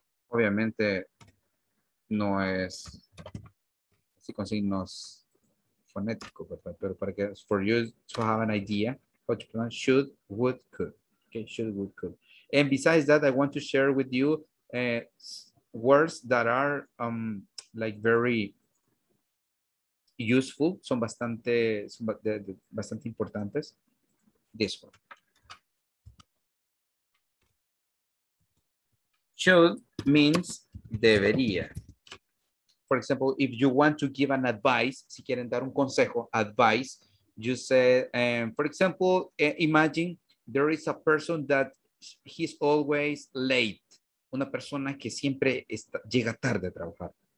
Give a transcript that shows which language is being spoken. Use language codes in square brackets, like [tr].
[es] Obviamente no es así con signos fonético, ¿verdad? [en] Pero para que for you to have an idea, what you pronounce, should, would, could. Okay, should, would, could. And besides that, I want to share with you words that are like very useful, [es] son bastante importantes. [en] This one. Should means debería. For example, if you want to give an advice, [es] si quieren dar un consejo, [en] advice, you say, for example, imagine there is a person that he's always late. [es] Una persona que siempre está, llega tarde a trabajar.